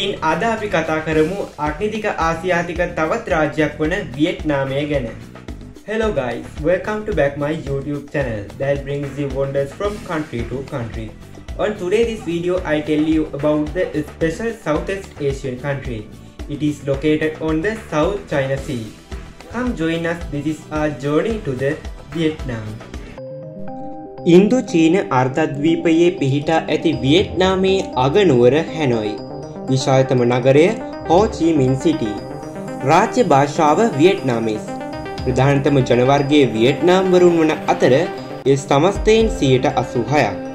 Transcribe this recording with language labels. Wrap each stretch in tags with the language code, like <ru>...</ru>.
<si>අද අපි කතා කරමු අග්නිදික ආසියාතික තවත් රාජ්‍යයක් වන වියට්නාමය ගැන.</si> <en>Hello guys, welcome to back my YouTube channel that brings you wonders from country to country. On today's video, I tell you about the special Southeast Asian country. It is located on the South China Sea. Come join us, this is our journey to the Vietnam.</en> <si>ඉන්දුචීන අර්ධද්වීපයේ පිහිටා ඇති වියට්නාමයේ අගනුවර හැනොයි. විශාලතම නගරය හෝ චී මින් සිටි. රාජ්‍ය භාෂාව වියට්නාමීස්. ප්‍රධානතම ජනවර්ගයේ වියට්නාම් වරුන් වන අතර ඒ සමස්තයෙන් 86%ක්.</si>